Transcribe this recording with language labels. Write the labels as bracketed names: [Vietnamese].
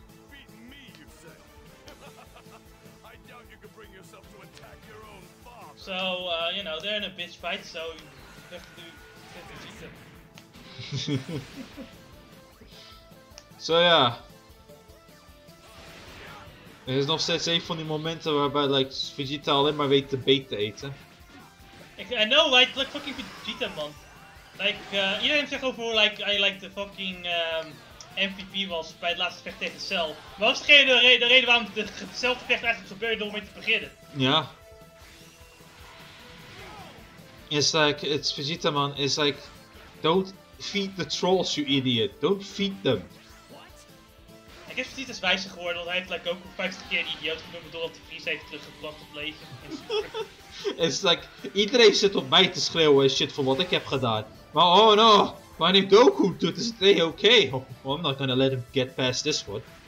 [English] Beat me, you say? I doubt you can bring yourself to attack your own father. So, you know, they're in a bitch fight, so you have to do. So, yeah. [Dutch] Het is nog steeds een van die momenten waarbij like, Vegeta alleen maar weet de beet te eten. [English] I know, right? Like fucking Vegeta, man. [Dutch] Like, iedereen zegt over hoe hij like, de fucking MVP was bij het laatste vecht tegen Cell. Maar was de reden waarom hetzelfde vecht eigenlijk gebeurde om mee te beginnen? Ja. [English] It's like, it's Vegeta, man. It's like, don't feed the trolls, you idiot. Don't feed them. [Dutch] Ik heb Vegeta's wijzer geworden, want hij heeft like, ook 50 keer een idioot genoemd doordat hij Freeza heeft teruggebracht op leven. [English] It's like, [Dutch] iedereen zit op mij te schreeuwen en shit van wat ik heb gedaan. Maar oh no, wanneer Doku doet, is het niet oké. [English] Okay. I'm not gonna let him get past this one.